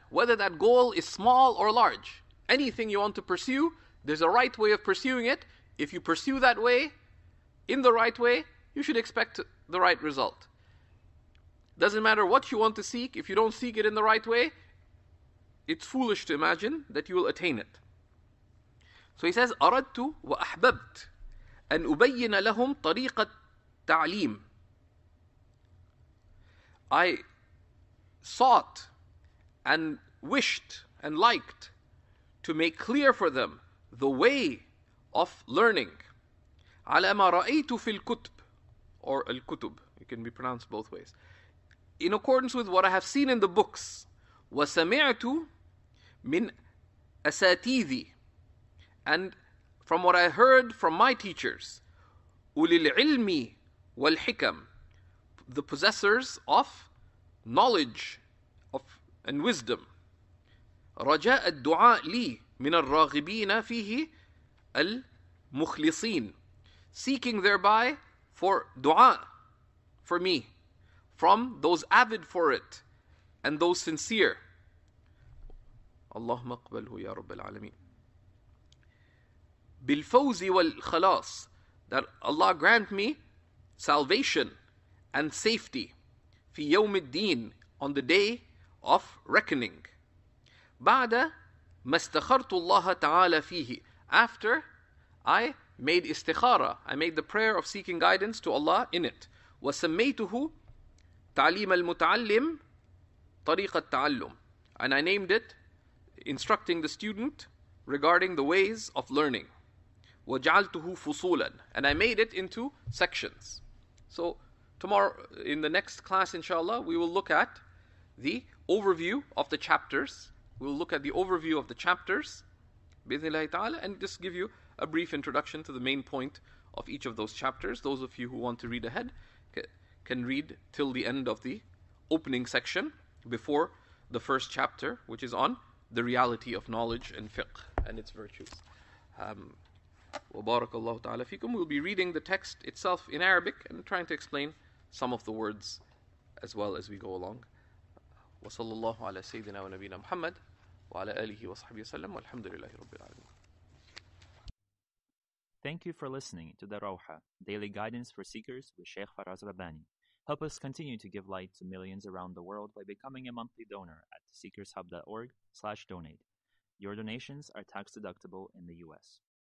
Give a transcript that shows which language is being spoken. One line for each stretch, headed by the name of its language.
English: Whether that goal is small or large. Anything you want to pursue, there's a right way of pursuing it. If you pursue that way, in the right way, you should expect the right result. Doesn't matter what you want to seek, if you don't seek it in the right way, it's foolish to imagine that you will attain it. So he says,
Arabic: أَرَدْتُ وَأَحْبَبْتُ أَنْ أُبَيِّنَ لَهُمْ طَرِيقَ التَّعْلِيمِ.
English: I sought and wished and liked to make clear for them the way of learning.
Arabic: عَلَى مَا رَأَيْتُ فِي الْكُتْبِ. Or الْكُتُبِ.
English: It can be pronounced both ways. In accordance with what I have seen in the books.
Arabic: وَسَمِعْتُ مِنْ أَسَاتِيذِي.
English: And from what I heard from my teachers.
Arabic: أُولِي الْعِلْمِ وَالْحِكَمِ.
English: The possessors of knowledge and wisdom.
Arabic: رَجَاءَ الدُّعَاءِ لِي مِنَ الرَّاغِبِينَ فِيهِ الْمُخْلِصِينَ.
English: Seeking thereby for dua for me from those avid for it and those sincere.
Arabic: اللهم اقبله يا رب العالمين. بالفوز والخلاص.
English: That Allah grant me salvation and safety.
Arabic: في يوم الدين.
English: On the day of reckoning.
Arabic: بعد ما استخرت الله تعالى فيه.
English: After I made istikhara. I made the prayer of seeking guidance to Allah in it.
Arabic: وسميته تعليم المتعلم طريق التعلم.
English: And I named it instructing the student regarding the ways of learning.
Arabic: وجعلته فصولا.
English: And I made it into sections. So tomorrow, in the next class inshallah, we will look at the overview of the chapters. We'll look at the overview of the chapters
Arabic: بإذن الله تعالى,
English: and just give you a brief introduction to the main point of each of those chapters. Those of you who want to read ahead can read till the end of the opening section before the first chapter, which is on the reality of knowledge and fiqh and its virtues.
Arabic: وبارك الله تعالى فيكم.
English: We'll be reading the text itself in Arabic and trying to explain some of the words as well as we go along.
Arabic: وصلى الله على سيدنا ونبينا محمد وعلى آله وصحبه وسلم والحمد لله رب العالمين.
English: Thank you for listening to the Rawha, daily guidance for seekers with Sheikh Faraz Rabbani. Help us continue to give light to millions around the world by becoming a monthly donor at seekershub.org/donate. Your donations are tax deductible in the US.